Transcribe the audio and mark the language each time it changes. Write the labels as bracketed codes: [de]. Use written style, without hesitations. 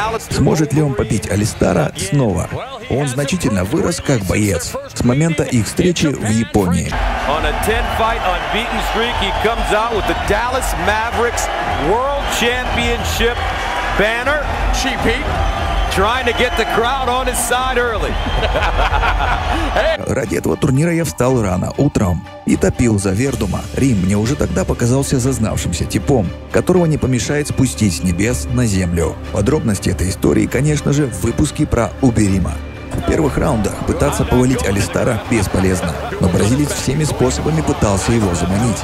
[ru] Сможет ли он побить Алистара снова? Он значительно вырос как боец с момента их встречи в Японии. [en] On a 10-fight unbeaten streak, he comes out with the Dallas Mavericks World Championship banner. Cheap heat. Trying to get the crowd on his side early. [ru] Ради этого турнира я встал рано, утром, и топил за Вердума. Рим мне уже тогда показался зазнавшимся типом, которого не помешает спустить с небес на землю. Подробности этой истории, конечно же, в выпуске про Уберима. В первых раундах пытаться повалить Алистара бесполезно, но бразилец всеми способами пытался его заманить.